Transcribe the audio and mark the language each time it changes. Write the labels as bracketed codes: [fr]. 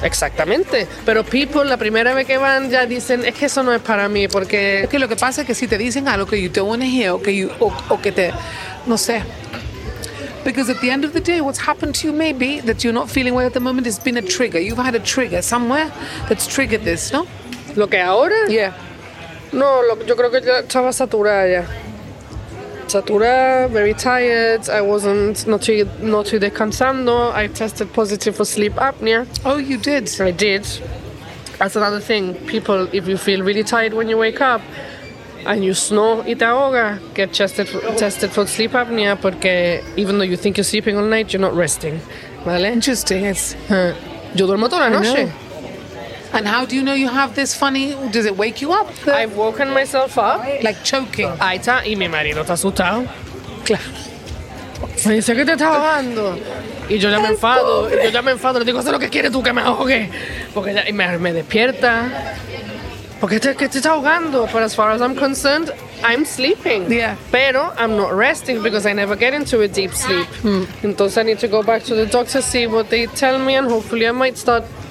[es] Exactamente. Pero people, la primera vez que van, ya dicen, es que eso no es para mí, porque... Es que lo que pasa es que si te dicen algo que [en] you don't want to hear, [es] o que te... No sé. [en] Because at the end of the day, what's happened to you maybe that you're not feeling well at the moment has been a trigger. You've had a trigger somewhere that's triggered this, ¿no? [es] ¿Lo que ahora? [en] Yeah. [es] No, yo creo que ya estaba saturada ya. [en] Saturada, very tired. I wasn't not descansando. I tested positive for sleep apnea. Oh, you did? I did. That's another thing. People, if you feel really tired when you wake up and you snore [es] y te ahoga, [en] get tested for sleep apnea, porque even though you think you're sleeping all night, you're not resting. ¿Vale? Interesting. [es] Yo duermo toda la noche. [en] And how do you know you have this funny... Does it wake you up? I've woken myself up. Like choking. [es] Ahí está. Y mi marido está asustado. Claro. Me dice que te estás ahogando. Y yo ya me enfado. Yo ya me enfado. Le digo, haz lo que quieres tú, que me ahogue. Porque ya, y me despierta. Porque te estás ahogando. [en] But as far as I'm concerned, I'm sleeping. Yeah. Pero I'm not resting because I never get into a deep sleep. Mm. Entonces I need to go back to the doctor, see what they tell me, and hopefully I might start...